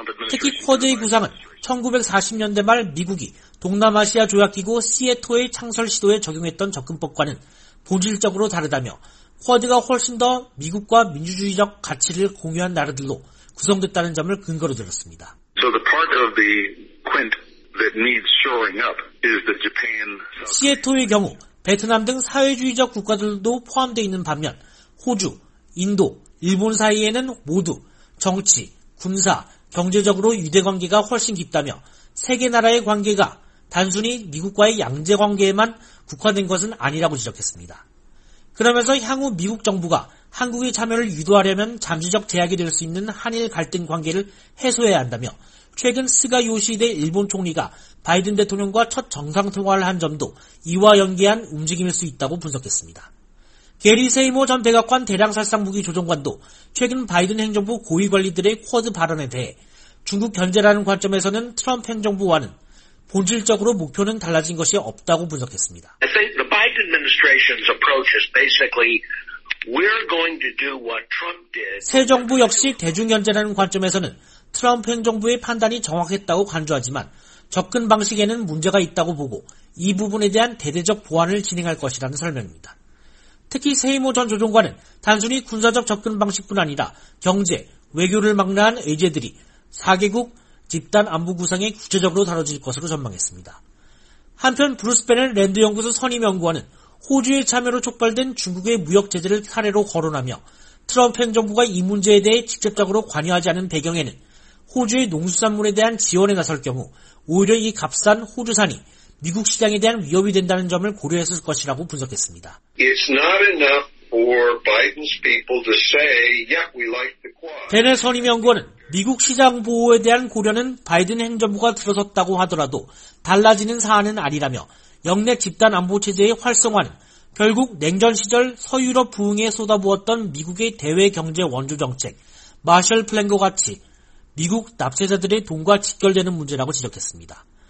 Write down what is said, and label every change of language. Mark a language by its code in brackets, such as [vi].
[ko] 특히 쿼드의 구상은 1940년대 말 미국이 동남아시아 조약기구 시애토의 창설 시도에 적용했던 접근법과는 본질적으로 다르다며 쿼드가 훨씬 더 미국과 민주주의적 가치를 공유한 나라들로 구성됐다는 점을 근거로 들었습니다. [en] So the part of the quint that needs shoring up is the Japan. [ko] 시애토의 경우 베트남 등 사회주의적 국가들도 포함되어 있는 반면 호주, 인도, 일본 사이에는 모두 정치, 군사, 경제적으로 유대관계가 훨씬 깊다며 세계 나라의 관계가 단순히 미국과의 양제관계에만 국한된 것은 아니라고 지적했습니다. 그러면서 향후 미국 정부가 한국의 참여를 유도하려면 잠재적 제약이 될 수 있는 한일 갈등 관계를 해소해야 한다며 최근 스가 요시히데 일본 총리가 바이든 대통령과 첫 정상 통화를 한 점도 이와 연계한 움직임일 수 있다고 분석했습니다. 게리 세이모 전 백악관 대량살상무기 조정관도 최근 바이든 행정부 고위관리들의 쿼드 발언에 대해 중국 견제라는 관점에서는 트럼프 행정부와는 본질적으로 목표는 달라진 것이 없다고 분석했습니다. [en] The Biden administration's approach is basically we're going to do what Trump did. [ko] 새 정부 역시 대중견제라는 관점에서는 트럼프 행정부의 판단이 정확했다고 강조하지만 접근 방식에는 문제가 있다고 보고 이 부분에 대한 대대적 보완을 진행할 것이라는 설명입니다. 특히 세이모 전 조정관은 단순히 군사적 접근 방식뿐 아니라 경제, 외교를 망라한 의제들이 4개국 집단 안보 구상이 구체적으로 다뤄질 것으로 전망했습니다. 한편 브루스베넬 랜드연구소 선임연구원은 호주의 참여로 촉발된 중국의 무역 제재를 사례로 거론하며 트럼프 행정부가 이 문제에 대해 직접적으로 관여하지 않은 배경에는 호주의 농수산물에 대한 지원에 나설 경우 오히려 이 값싼 호주산이 미국 시장에 대한 위협이 된다는 점을 고려했을 것이라고 분석했습니다. [en] It's not enough for Biden's people to say, yeah, we like the quad. [ko] 베넷 선임연구원은 미국 시장 보호에 대한 고려는 바이든 행정부가 들어섰다고 하더라도 달라지는 사안은 아니라며 영내 집단 안보 체제의 활성화는 결국 냉전 시절 서유럽 부흥에 쏟아부었던 미국의 대외 경제 원조 정책, 마셜 플랜과 같이 미국 납세자들의 돈과 직결되는 문제라고 지적했습니다.